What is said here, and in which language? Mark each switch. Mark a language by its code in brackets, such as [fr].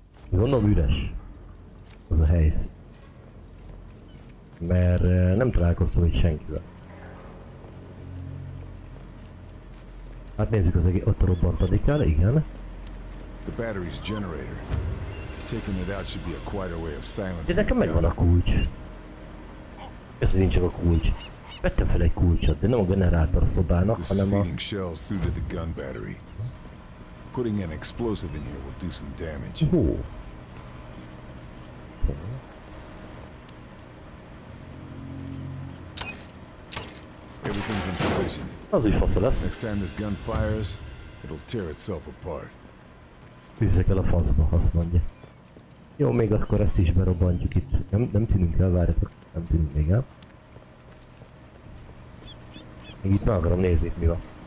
[hu] Gondolom üres az a helyszín, mert nem találkoztam itt senkivel. Hát nézzük az egész, ott robbantadik el, igen. [en] The battery's generator. Taking it out should be a quieter way of silencing. [hu] De nekem megvan a kulcs. Ez nincs csak a kulcs. Vettem fel egy kulcsot, de nem a generátor szobának, hanem a... [en] This is feeding shells through to the gun battery. Putting an explosive in here will do some damage. Hú. Everything's in position. [hu] Az is fasza lesz. [en] Next time this gun fires, it'll tear itself apart. [hu] Üzzek el a faszba, azt mondja. Jó, még akkor ezt is berobbantjuk itt. Nem tűnünk el, várjatok. Nem tűnünk még el. Még itt meg akarom nézni, mi van.